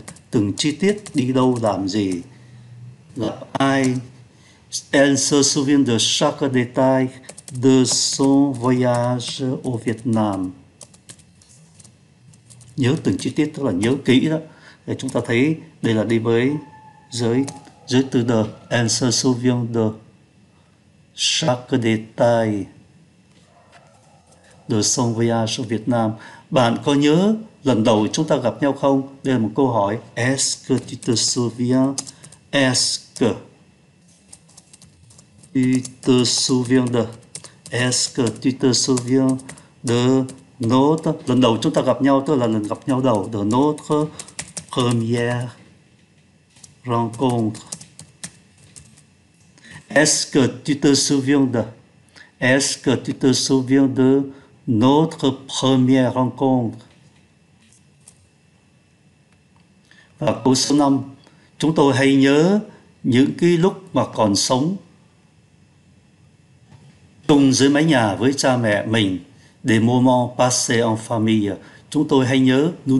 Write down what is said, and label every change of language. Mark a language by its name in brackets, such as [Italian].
[Vietnamese] từng chi tiết, đi đâu, làm gì, gặp ai. [French] Elle se souvient de chaque détail de son voyage au Vietnam. [Vietnamese] Nhớ từng chi tiết, tức là nhớ kỹ đó. Để chúng ta thấy đây là đi với giới tư đờ. [French] Elle se souvient de chaque détail de son voyage au Vietnam. [Vietnamese] Bạn có nhớ lần đầu chúng ta gặp nhau không? Đây là một câu hỏi. [French] Est-ce que tu te souviens? Est-ce que tu te souviens de? Est-ce que tu te souviens de notre? [Vietnamese] Lần đầu chúng ta gặp nhau, tức là lần gặp nhau đầu. [French] De notre première rencontre. Est-ce que tu te souviens de? Est-ce que tu te souviens de notre première rencontre? [Vietnamese] Và câu số 5, chúng tôi hay nhớ những cái lúc mà còn sống chung dưới mái nhà với cha mẹ mình. [French] Des moments passés en famille. Chúng tôi hay nhớ.